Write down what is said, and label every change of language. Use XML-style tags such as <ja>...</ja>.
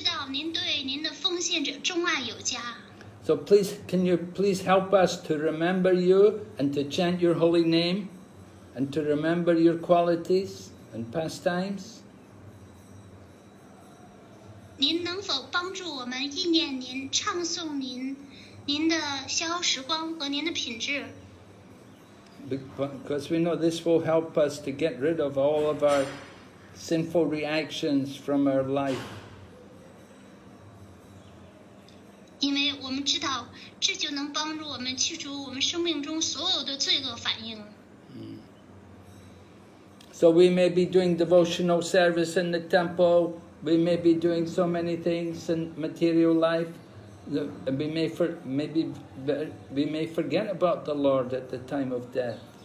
<en>We know So please, can you please help us to remember you and to chant your holy name and to remember your qualities and pastimes?</en> <zh>您能否帮助我们意念您唱诵您的消时光和您的品质?</zh> <en>Because we know this will help us to get rid of all of our sinful reactions from our life.</en> <zh>因为我们知道这就能帮助我们去除我们生命中所有的罪恶反应。</zh> <en>So we may be doing devotional service in the temple, we may be doing so many things in material life, we may forget about the Lord at the time of death.</en>